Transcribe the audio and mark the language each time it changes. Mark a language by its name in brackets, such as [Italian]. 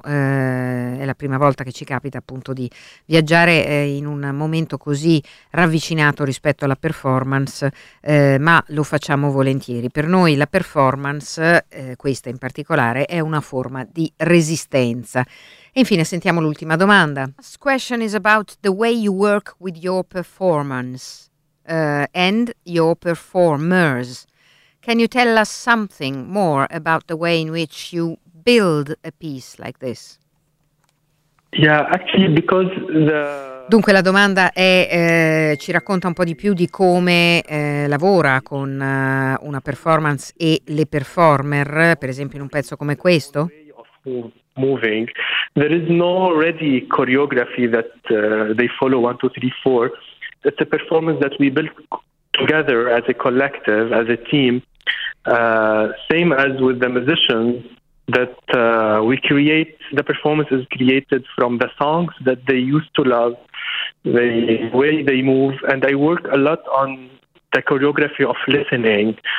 [Italian] È la prima volta che ci capita appunto di viaggiare in un momento così ravvicinato rispetto alla performance, ma lo facciamo volentieri. Per noi la performance, questa in particolare, è una forma di resistenza. Infine, sentiamo l'ultima domanda. [English] This question is about the way you work with your performance and your performers. Can you tell us something more about the way in which you build a piece like this? Yeah, actually, because the... [Italian] Dunque, la domanda è, ci racconta un po' di più di come lavora con una performance e le performer, per esempio in un pezzo come questo? [English] Moving, there is no ready choreography that they follow 1, 2, 3, 4. It's a performance that we built together as a collective, as a team. Same as with the musicians, that we create, the performance is created from the songs that they used to love, the way they move, and I work a lot on the choreography of listening.